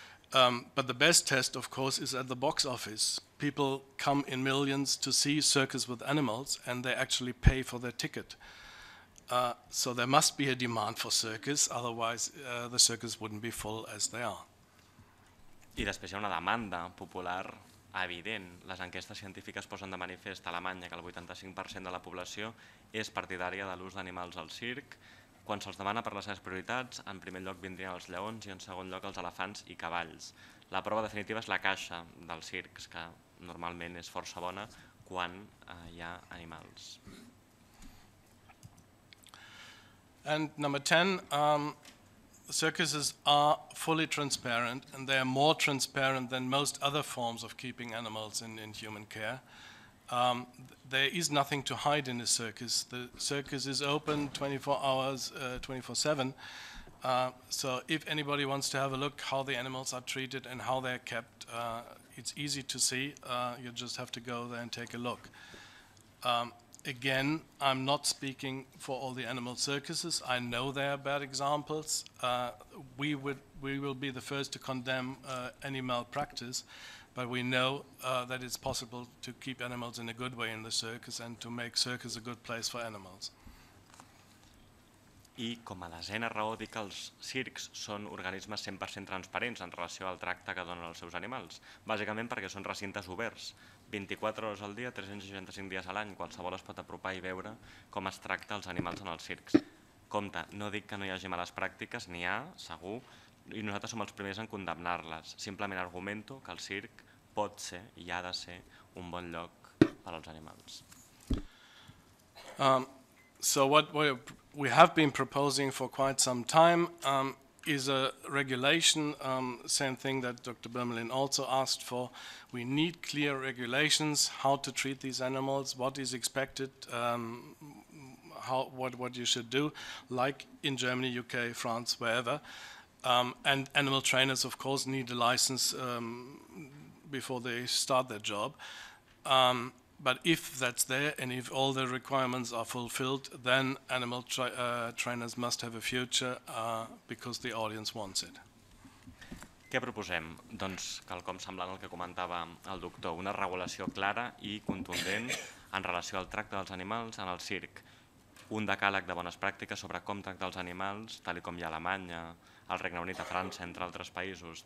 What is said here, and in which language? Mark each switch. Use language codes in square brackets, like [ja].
[en] But the best test, of course, is at the box office. People come in millions to see circus with animals, and they actually pay for their ticket. So there must be a demand for circus, otherwise the circus wouldn't be full as they are. [ca] I després hi ha una demanda popular evident. Les enquestes científiques posen de manifest a Alemanya que el 85% de la població és partidària de l'ús d'animals al circ. Quan se'ls demana per les seves prioritats, en primer lloc vindrien els lleons i en segon lloc els elefants i cavalls. La prova definitiva és la caixa dels circs, que normalment és força bona quan hi ha animals. [en] And number 10, circuses are fully transparent, and they are more transparent than most other forms of keeping animals in human care. There is nothing to hide in a circus. The circus is open 24 hours, 24/7. So if anybody wants to have a look how the animals are treated and how they're kept, it's easy to see. You just have to go there and take a look. Again, I'm not speaking for all the animal circuses. I know there are bad examples. We will be the first to condemn any malpractice. But we know that it's possible to keep animals in a good way in the circus and to make circus a good place for animals. [ca] I com a desena raó dic que els circs són organismes 100% transparents en relació al tracte que donen els seus animals, bàsicament perquè són recintes oberts, 24 hores al dia, 365 dies a l'any, qualsevol es pot apropar i veure com es tracta els animals en els circs. Compte, no dic que no hi hagi males pràctiques, n'hi ha, segur, i nosaltres som els primers en condemnar-les. Simplement argumento que el circ pot ser i ha de ser un bon lloc per als animals. [en] So what we have been proposing for quite some time is a regulation, same thing that Dr. Birmelin also asked for. We need clear regulations, how to treat these animals, what is expected, what you should do, like in Germany, UK, France, wherever. And animal trainers, of course, need a license before they start their job. But if that's there and if all the requirements are fulfilled, then animal trainers must have a future because the audience wants it. [ca] Què proposem? Doncs quelcom semblant al que comentava el doctor, una regulació clara i contundent en relació al tracte dels animals en el circ. Un decàleg de bones pràctiques sobre com tractar els animals, tal com hi ha a Alemanya, al Regne Unit, a França, entre altres països.